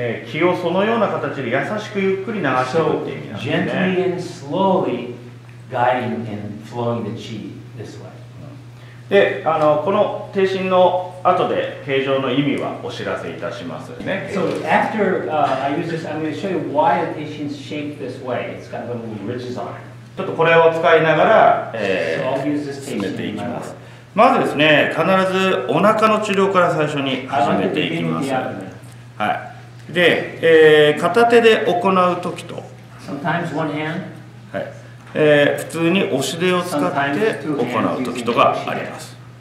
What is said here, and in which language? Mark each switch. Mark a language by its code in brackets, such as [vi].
[ja] 気をそのような形で優しくゆっくり流していくっていう意味なんですね。 [en] Gently and slowly guiding and flowing the chi this way. [ja] で、この提神の後で形状の意味はお知らせいたしますね。 [en] So after I use this, I'm going to show you why the 提神 shaped this way. It's got little ridges on it. [ja] ちょっとこれを使いながら、進めていきます。まずですね、必ずお腹の治療から最初に始めていきます。はい。で、片手で行うときと、普通に押し手を使って行うときとがあります。